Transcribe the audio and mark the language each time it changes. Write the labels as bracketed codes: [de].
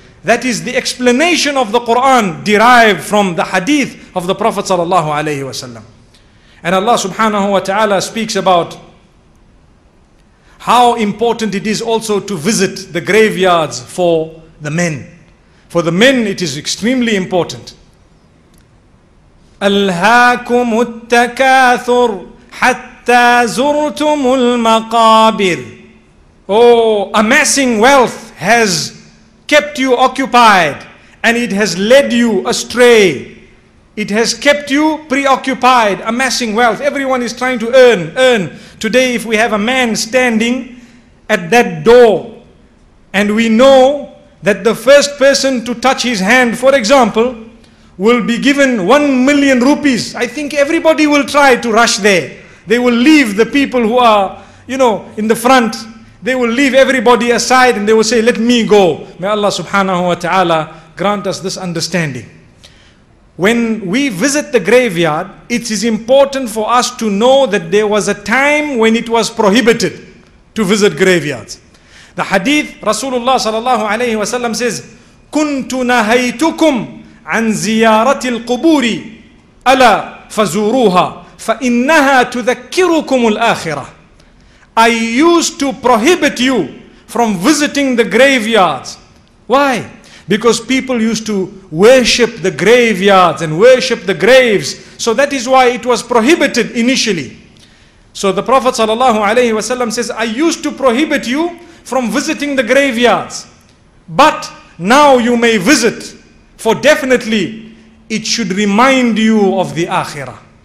[en] That is the explanation of the Quran derived from the hadith of the Prophet sallallahu alayhi wa sallam. And Allah subhanahu wa ta'ala speaks about how important it is also to visit the graveyards for the men. For the men, it is extremely important. [ar] الهاكم التكاثر حتى زرتم المقابر. [en] Oh, amassing wealth has kept you occupied and it has led you astray. It has kept you preoccupied, amassing wealth. Everyone is trying to earn. Today, if we have a man standing at that door and we know that the first person to touch his hand, for example, will be given 1,000,000 rupees. I think everybody will try to rush there. They will leave the people who are, you know, in the front. They will leave everybody aside and they will say, let me go. May Allah subhanahu wa ta'ala grant us this understanding. When we visit the graveyard, it is important for us to know that there was a time when it was prohibited to visit graveyards. The hadith, Rasulullah sallallahu alayhi wa sallam says, [ar] كُنْتُ نَهَيْتُكُمْ عَنْ زِيَارَةِ الْقُبُورِ أَلَا فَزُورُوهَا فَإِنَّهَا تُذَكِّرُكُمُ الْآخِرَةِ. [en] I used to prohibit you from visiting the graveyards. Why? Because people used to worship the graveyards and worship the graves. So that is why it was prohibited initially. So the Prophet sallallahu alayhi wa sallam says, I used to prohibit you from visiting the graveyards, but now you may visit, for definitely it should remind you of the Akhirah.